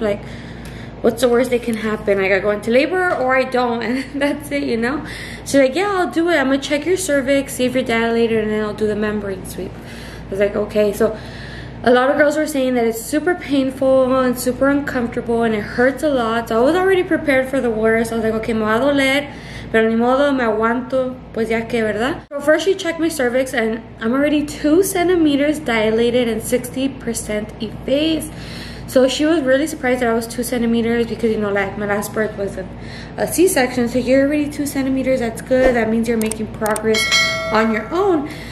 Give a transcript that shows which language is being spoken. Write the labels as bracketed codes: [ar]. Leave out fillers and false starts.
[en] Like, what's the worst that can happen? Like, I go into labor or I don't, and that's it, you know? She's like, yeah, I'll do it. I'm gonna check your cervix, see if you're dilated, and then I'll do the membrane sweep. I was like, okay. So a lot of girls were saying that it's super painful and super uncomfortable and it hurts a lot. So I was already prepared for the worst. I was like, okay, [es] me va a doler, pero ni modo, me aguanto, pues ya que, ¿verdad? [en] So first she checked my cervix and I'm already 2 centimeters dilated and 60% effaced. So she was really surprised that I was 2 centimeters because, you know, like my last birth was a C-section. So you're already 2 centimeters. That's good. That means you're making progress on your own.